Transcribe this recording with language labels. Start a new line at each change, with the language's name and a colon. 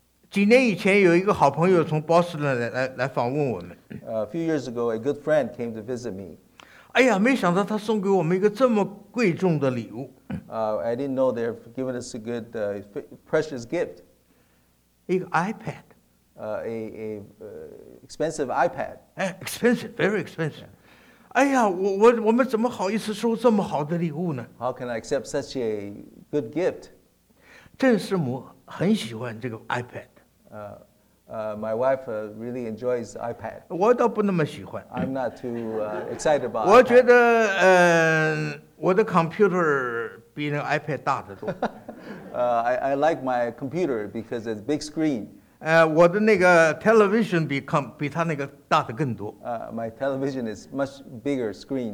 Chinese: 几年以前有一个好朋友从波士顿来访问我们。
English: A few years ago, a good friend came to visit me.
Chinese: 哎呀，没想到他送给我们一个这么贵重的礼物。
English: I didn't know they're giving us a good, precious gift.
Chinese: 一个 iPad.
English: Expensive iPad. Expensive, very expensive. Yeah.
Chinese: 哎呀，我们怎么好意思收这么好的礼物呢
English: ？How can I accept such a good gift？
Chinese: 郑师母很喜欢这个 iPad。
English: My wife really enjoys iPad。
Chinese: 我倒不那么喜欢。
English: I'm not too excited about。
Chinese: 我觉得，我的 computer 比那个 iPad 大得多。
English: I like my computer because it's big screen。
Chinese: 我的那个 television 比他那个大的更多。
English: My television is much bigger screen。